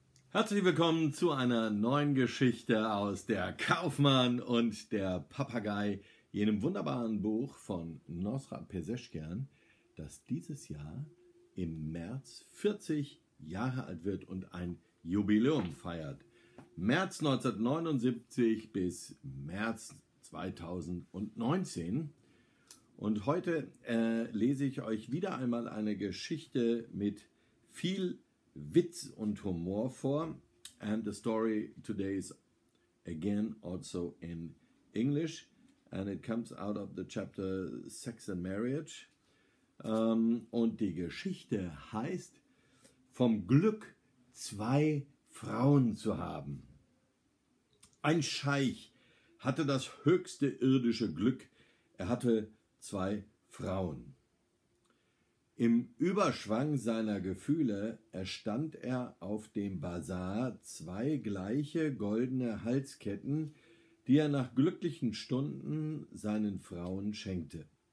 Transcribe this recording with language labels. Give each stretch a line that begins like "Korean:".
German: Herzlich willkommen zu einer neuen Geschichte aus Der Kaufmann und der Papagei, jenem wunderbaren Buch von Nosrat Pezeshkian, das dieses Jahr im März 40 Jahre alt wird und ein Jubiläum feiert. März 1979 bis März 2019. Und heute lese ich euch wieder einmal eine Geschichte mit viel Witz und Humor vor.
English: And the story today is again also in English. And it comes out of the chapter Sex and Marriage.
German: Und die Geschichte heißt Vom Glück, zwei Frauen zu haben. Ein Scheich hatte das höchste irdische Glück. Er hatte zwei Frauen. Im Überschwang seiner Gefühle erstand er auf dem Basar zwei gleiche goldene Halsketten, die er nach glücklichen Stunden seinen Frauen schenkte.